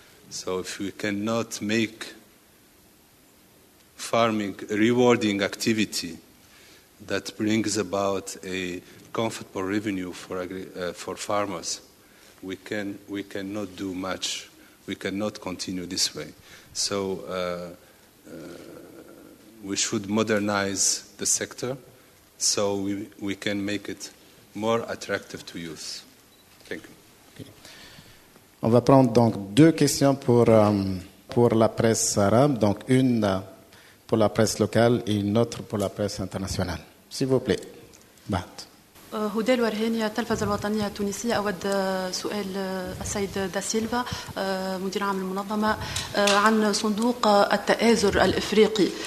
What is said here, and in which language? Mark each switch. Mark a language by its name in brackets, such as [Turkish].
[English] So if we cannot make farming a rewarding activity that brings about a comfortable revenue for farmers, we cannot do much. We cannot continue this way. So we should modernize the sector so we can make it more attractive to youth. Thank you. Okay. [French] On va prendre donc deux questions pour la presse arabe. Donc une pour la presse locale et une autre pour la presse internationale. S'il vous plaît. Bat. [Arabic] هدى الورهينية تلفاز الوطنية التونسية. أود سؤال السيد دا سيلفا مدير عام المنظمة عن صندوق التآزر الإفريقي.